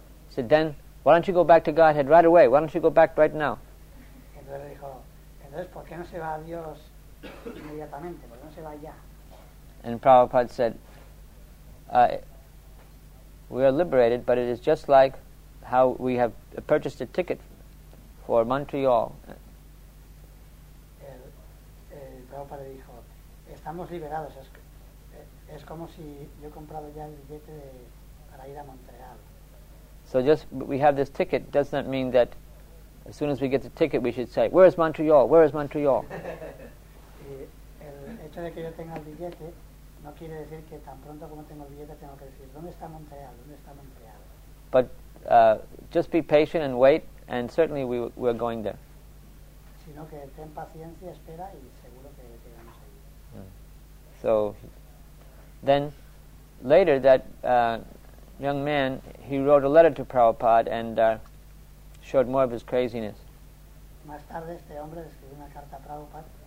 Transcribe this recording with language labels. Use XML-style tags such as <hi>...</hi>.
<en>He said, then, why don't you go back to Godhead right away? Why don't you go back right now?</en> <es>Entonces dijo, entonces, ¿por qué no se va a Dios? Inmediatamente, pues no se va ya.</es> <en>And Prabhupada said, we are liberated, but it is just like how we have purchased a ticket for Montreal.</en> <es>El Prabhupada dijo, estamos liberados, es como si yo he comprado ya el billete para ir a Montreal.</es> <en>So just we have this ticket, does not mean that as soon as we get the ticket we should say, where is Montreal, where is Montreal?</en> <es>El hecho de que yo tenga el billete no quiere decir que tan pronto como tengo el billete tengo que decir dónde está Montreal, dónde está Montreal.</es> <en>But just be patient and wait, and certainly we're going there.</en> <es>Sino que ten paciencia, espera y seguro que llegamos ahí.</es> <en>So then later that young man, he wrote a letter to Prabhupada and showed more of his craziness.</en> <es>Más tarde este hombre escribió una carta a Prabhupada.</es>